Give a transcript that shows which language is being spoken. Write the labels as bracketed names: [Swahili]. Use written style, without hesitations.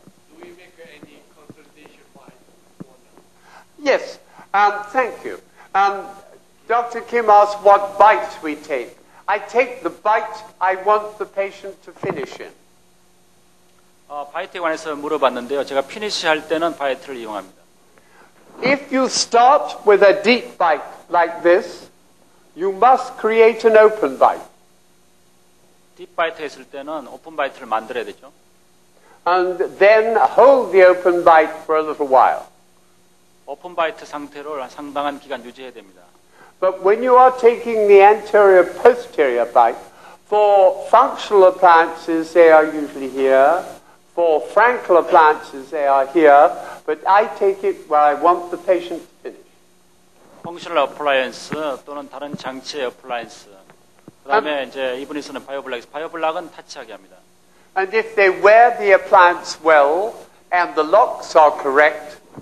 [English] Do we make any consultation by owner? Yes. Thank you. Dr. Kim asked what bite we take. I take the bite I want the patient to finish in. [Korean] 바이트에 관해서 물어봤는데요. 제가 피니시할 때는 바이트를 이용합니다. [English] If you start with a deep bite like this, you must create an open bite. [Korean] 딥 바이트 했을 때는 오픈 바이트를 만들어야 되죠. [English] And then hold the open bite for a little while. [Korean] 오픈 바이트 상태를 상당한 기간 유지해야 됩니다. [English] But when you are taking the anterior posterior bite, for functional appliances they are usually here, for Frankel appliances they are here, but I take it where I want the patient to finish. [Korean] Functional appliance 또는 다른 장치의 appliance. 그다음에 이제 이분이 쓰는 바이오블락, 바이오블락은 터치하게 합니다. [English] And if they wear the appliance well and the locks are correct,